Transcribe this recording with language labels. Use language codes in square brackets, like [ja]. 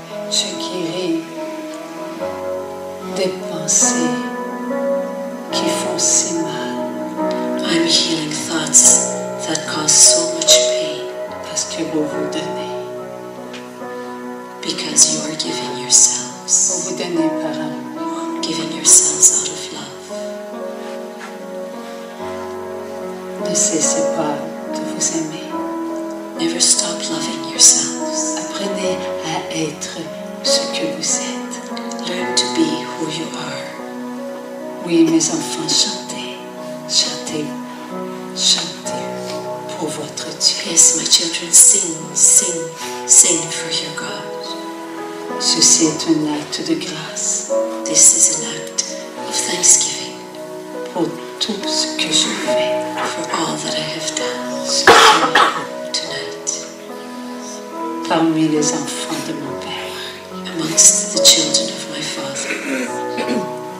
[fr] Je guéris des pensées qui font si mal. [en] I'm healing thoughts that cause so much pain. [fr] Parce que vous vous donnez. [en] Because you are giving yourselves. [fr] Vous vous donnez par amour. [en] Giving yourselves out of love. [fr] Ne cessez pas de vous aimer. [en] Never stop loving yourselves. [fr] Apprenez à être ce que vous êtes. [en] Learn to be who you are. [fr] Oui, mes enfants, chantez. Chantez. Chantez pour votre Dieu. [en] Yes, my children, sing, sing, sing for your God. [fr] Ceci est un acte de grâce. [en] This is an act of thanksgiving. [fr] Pour tout ce que je fais. [en] For all that I have done. [fr] Ce que je fais [en] tonight. [fr] Parmi les enfants de mon père. [en] Amongst the children of my father.